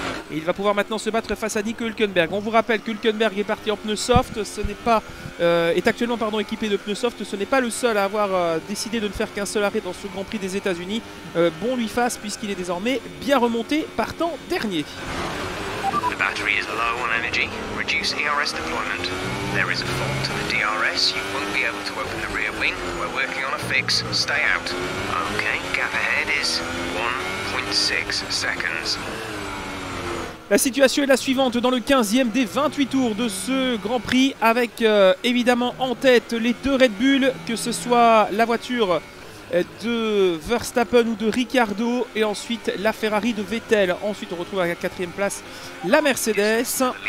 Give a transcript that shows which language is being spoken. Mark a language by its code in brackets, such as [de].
[fr] Et il va pouvoir maintenant se battre face à Nico Hülkenberg. On vous rappelle que Hülkenberg est parti en pneus soft. Est actuellement équipé de pneus soft. Ce n'est pas le seul à avoir décidé de ne faire qu'un seul arrêt dans ce Grand Prix des États-Unis. Bon lui fasse puisqu'il est désormais bien remonté, partant dernier. [en] The battery is low on energy. Reduce ERS deployment. There is a fault to the DRS. You won't be able to open the rear wing. We're working on a fix. Stay out. Okay, gap ahead is 1.6 seconds. [fr] La situation est la suivante dans le 15e des 28 tours de ce Grand Prix avec évidemment en tête les deux Red Bull, que ce soit la voiture de Verstappen ou de Ricciardo, et ensuite la Ferrari de Vettel. Ensuite on retrouve à la 4e place la Mercedes.